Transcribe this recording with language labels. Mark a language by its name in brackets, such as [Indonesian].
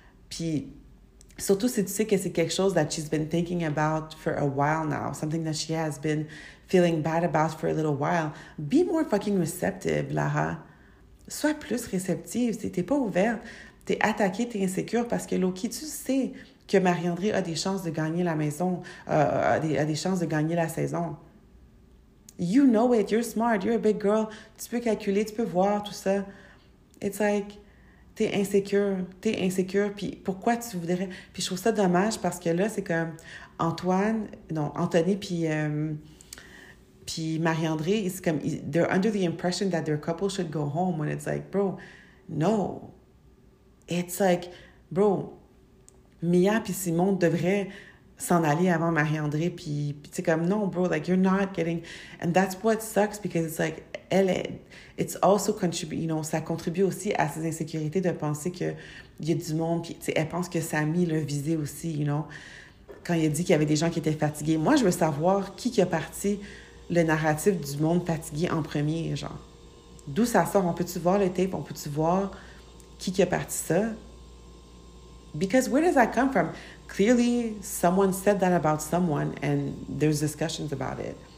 [French] Puis, surtout si tu sais que c'est quelque chose [English] that she's been thinking about for a while now, something that she has been feeling bad about for a little while, be more fucking receptive, Lara. [French] Sois plus réceptive, si t'es pas ouverte. T'es attaquée, t'es insécure, parce que Loki, tu sais... que Marie-André a des chances de gagner la maison, a des chances de gagner la saison. [English] You know it, you're smart, you're a big girl. [French] Tu peux calculer, tu peux voir tout ça. [English] It's like, [French] t'es insécure, puis pourquoi tu voudrais... Puis je trouve ça dommage, parce que là, c'est comme Anthony, puis Marie-André, c'est comme, [English] they're under the impression that their couple should go home, when it's like, bro, no. It's like, bro... [French] Mia puis Simon devraient s'en aller avant Marie-André, puis c'est comme, non, [English] bro, like, you're not getting... And that's what sucks, because it's like, elle, it's also contribute, you know, [French] ça contribue aussi à ses insécurités de penser qu'il y a du monde, puis elle pense que Samy l'a visé aussi, [English] you know, [French] quand il a dit qu'il y avait des gens qui étaient fatigués. Moi, je veux savoir qui a parti le narratif du monde fatigué en premier, genre. D'où ça sort? On peut-tu voir le tape? On peut-tu voir qui a parti ça? [English] Because where does that come from? Clearly, someone said that about someone, and there's discussions about it.